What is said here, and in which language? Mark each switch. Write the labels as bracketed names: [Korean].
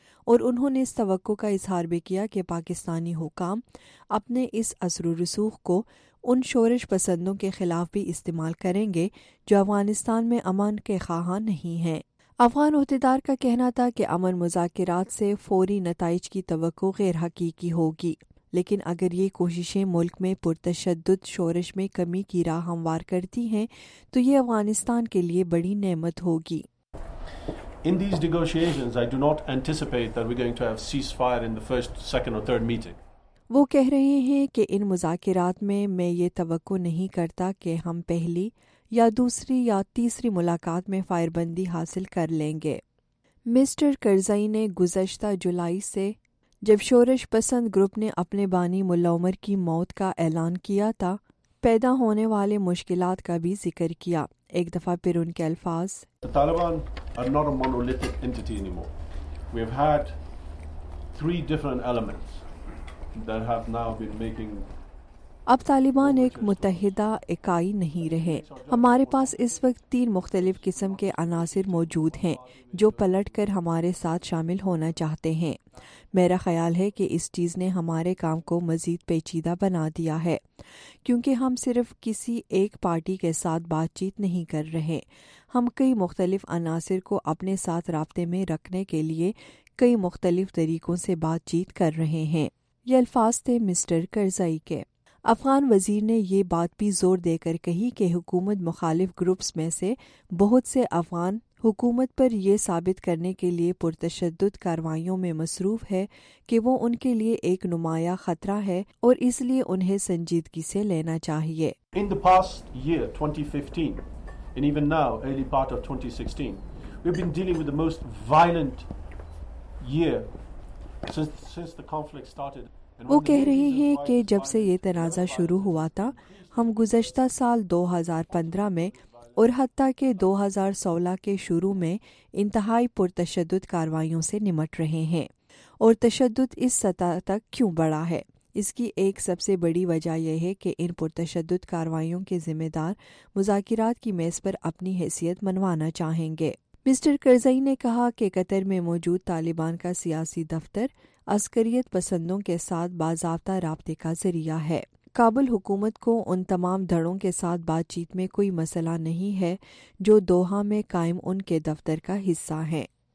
[Urdu] اور انہوں نے اس توقع کا اظہار بھی کیا کہ پاکستانی حکام اپنے اس اثر و رسوخ کو ان شورش پسندوں کے خلاف بھی استعمال کریں گے جو افغانستان میں امن کے خواہاں نہیں ہیں۔ افغان عہدیدار کا کہنا تھا کہ امن مذاکرات سے فوری نتائج کی توقع غیر حقیقی ہوگی، لیکن اگر یہ کوششیں ملک میں پرتشدد شورش میں کمی کی راہ ہموار کرتی ہیں تو یہ افغانستان کے لیے بڑی نعمت ہوگی۔ [English] In these negotiations, I do not anticipate that we're going to have ceasefire in the first, second or third meeting. [Urdu] وہ کہہ رہے ہیں کہ ان مذاکرات میں یہ توقع نہیں کرتا کہ ہم پہلی یا دوسری یا تیسری ملاقات میں فائر بندی حاصل کر لیں گے۔ مسٹر کرزئی نے گزشتہ جولائی سے جب شورش پسند گروپ نے اپنے بانی ملا عمر کی موت کا اعلان کیا تھا پیدا ہونے والے مشکلات کا بھی ذکر کیا۔ ایک دفعہ پھر ان کے الفاظ، [English] The Taliban are not a monolithic entity anymore. We have had three different elements that have now been making [Urdu] اب طالبان ایک متحدہ اکائی نہیں رہے، ہمارے پاس اس وقت تین مختلف قسم کے عناصر موجود ہیں جو پلٹ کر ہمارے ساتھ شامل ہونا چاہتے ہیں۔ میرا خیال ہے کہ اس چیز نے ہمارے کام کو مزید پیچیدہ بنا دیا ہے، کیونکہ ہم صرف کسی ایک پارٹی کے ساتھ بات چیت نہیں کر رہے، ہم کئی مختلف عناصر کو اپنے ساتھ رابطے میں رکھنے کے لیے کئی مختلف طریقوں سے بات چیت کر رہے ہیں۔ یہ الفاظ تھے مسٹر کرزئی کے۔ افغان وزیر نے یہ بات بھی زور دے کر کہی کہ حکومت مخالف گروپس میں سے بہت سے افغان حکومت پر یہ ثابت کرنے کے لیے پرتشدد کاروائیوں میں مصروف ہے کہ وہ ان کے لیے ایک نمایاں خطرہ ہے، اور اس لیے انہیں سنجیدگی سے لینا چاہیے۔ [English] In the past year, 2015, and even now, early part of 2016, we've been dealing with the most violent year since the conflict started. [Urdu] وہ کہہ رہے ہیں کہ جب سے یہ تنازع شروع ہوا تھا، ہم گزشتہ سال 2015 میں اور حتیٰ کہ 2016 کے شروع میں انتہائی پرتشدد کاروائیوں سے نمٹ رہے ہیں، اور تشدد اس سطح تک کیوں بڑھا ہے؟ اس کی ایک سب سے بڑی وجہ یہ ہے کہ ان پرتشدد کاروائیوں کے ذمہ دار مذاکرات کی میز پر اپنی حیثیت منوانا چاہیں گے۔ مسٹر کرزئی نے کہا کہ قطر میں موجود طالبان کا سیاسی دفتر عسکریت پسندوں کے ساتھ باضابطہ رابطے کا ذریعہ ہے، کابل حکومت کو ان تمام دھڑوں کے ساتھ بات چیت میں کوئی مسئلہ نہیں ہے جو دوحا میں قائم ان کے دفتر کا حصہ ہیں۔